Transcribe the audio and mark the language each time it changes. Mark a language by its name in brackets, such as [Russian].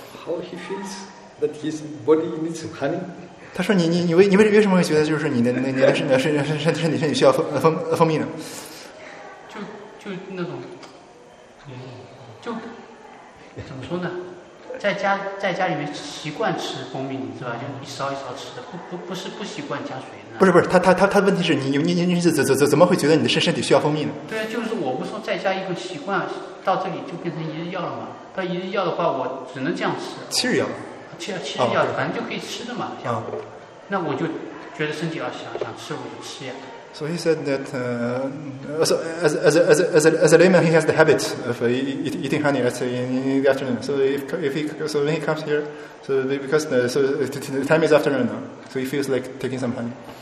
[English] How he feels that his body needs some honey? [Chinese] 他说你为什么会觉得就是你的身体需要蜂蜜呢？就那种。就怎么说呢，在家里面习惯吃蜂蜜，是吧？就一勺一勺吃的，不是不习惯加水的。不是，他问题是你怎么会觉得你的身体需要蜂蜜呢？对啊，就是我不说在家一个习惯，到这里就变成一日药了嘛。到一日药的话，我只能这样吃。七日药，反正就可以吃的嘛。那我就觉得身体要想吃，我就吃呀。 [English] So he said that as a layman, he has the habit of eating honey at in the afternoon. So if when he comes here, so because so the time is afternoon now, so he feels like taking some honey.